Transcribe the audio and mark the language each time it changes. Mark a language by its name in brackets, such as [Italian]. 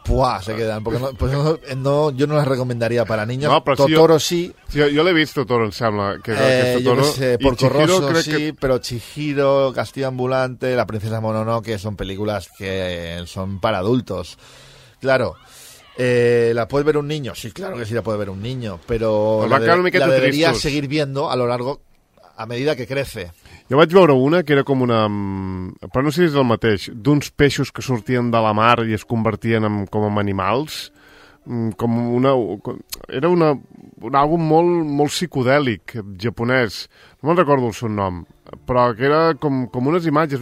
[Catalan] Sí, se queden. Jo no la recomendaria per a [Spanish] niños. [Catalan] No, Totoro sí. Jo l'he vist, Totoro, em sembla. Porco Rosso sí, però Chihiro, Castillo Ambulante, La princesa Mononoke, són pel·lícules que són per [Spanish] adultos. Claro. ¿La puede ver un niño? Sí, claro que sí la puede ver un niño. Pero la debería seguir viendo a lo largo, a medida que crece. [Catalan] Jo vaig veure una que era com una... Però no sé si és el mateix. D'uns peixos que sortien de la mar i es convertien en, com en animals. Com una... Era una, un àlbum molt, molt psicodèlic, japonès. No me'n recordo el seu nom. Però que era com unes imatges.